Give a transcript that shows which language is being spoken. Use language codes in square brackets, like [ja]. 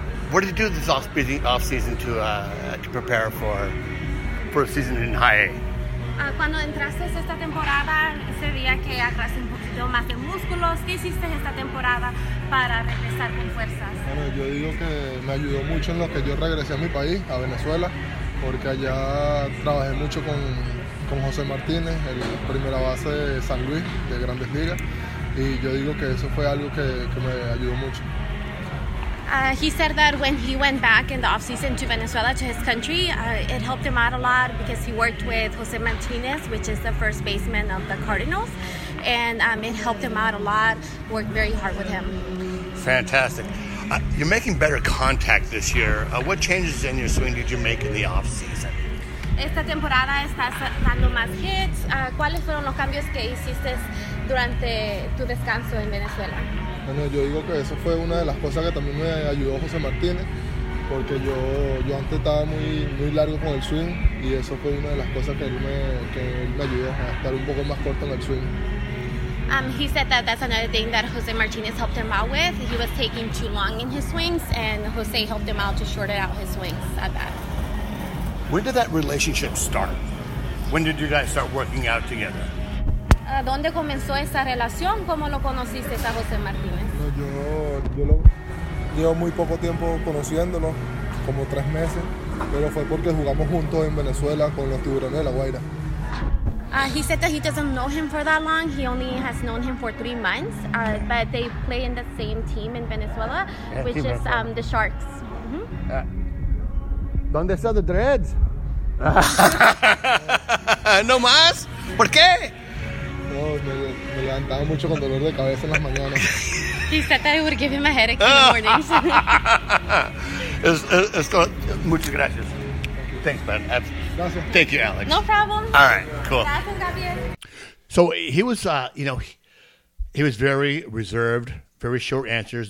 [en] What did he do this off season to prepare for a season in high A? [es] Cuando entraste esta temporada, ese día que agarraste un poquito más de músculos, ¿qué hiciste esta temporada para regresar con fuerzas? Bueno, yo digo que me ayudó mucho en lo que yo regresé a mi país, a Venezuela, porque allá trabajé mucho con José Martínez, el primera base de San Luis, de Grandes Ligas, y yo digo que eso fue algo que me ayudó mucho. [en] He said that when he went back in the offseason to Venezuela, to his country, it helped him out a lot because he worked with José Martínez, which is the first baseman of the Cardinals, and it helped him out a lot, worked very hard with him. Fantastic. You're making better contact this year. What changes in your swing did you make in the offseason? [es] Esta temporada estás dando más hits. ¿Cuáles fueron los cambios que hiciste durante tu descanso en Venezuela? Bueno, yo digo que eso fue una de las cosas que también me ayudó José Martínez, porque yo antes estaba muy, muy largo con el swing, y eso fue una de las cosas que él me ayudó a estar un poco más corto en el swing. [en] He said that that's another thing that José Martínez helped him out with. He was taking too long in his swings, and José helped him out to shorten out his swings at that. When did that relationship start? When did you guys start working out together? [es] ¿Dónde comenzó esa relación? ¿Cómo lo conociste a José Martínez? Yo llevo muy poco tiempo conociéndolo, como 3 meses, pero fue porque jugamos juntos en Venezuela con los Tiburones de La Guaira. [en] He said that he doesn't know him for that long. He only has known him for 3 months, but they play in the same team in Venezuela, which is the Sharks. [es] Mm-hmm. ¿Dónde está [en] the Dreads? [es] No más? ¿Por qué? No, me levantaba mucho con dolor de cabeza en las mañanas. [en] He said that it would give him a headache in the mornings. [es] Muchas gracias. [en] Thanks, man. [es] Gracias. [en] Thank you, Alex. No problem. All right, cool. [es] Gracias, Gabriel. [en] So he was, you know, he was very reserved, very short answers.